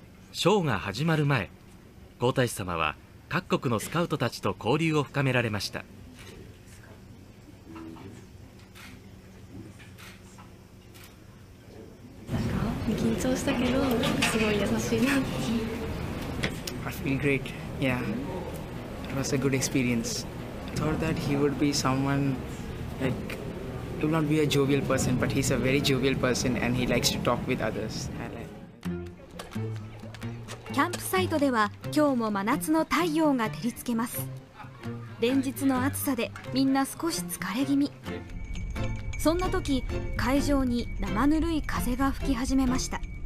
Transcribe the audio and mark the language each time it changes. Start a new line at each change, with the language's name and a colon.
Japanese: ショーが始まる前皇太子様は各国のスカウトたちと交流を深められました。緊張したけどすごい優しいな
English: It's been great. Yeah, it was a good experience. Thought that he would be someone like, would not be a jovial person, but he's a very jovial person and he likes to talk with others.
Japanese: キャンプサイトでは今日も真夏の太陽が照りつけます。連日の暑さでみんな少し疲れ気味。そんな時、会場に生ぬるい風が吹き始めました。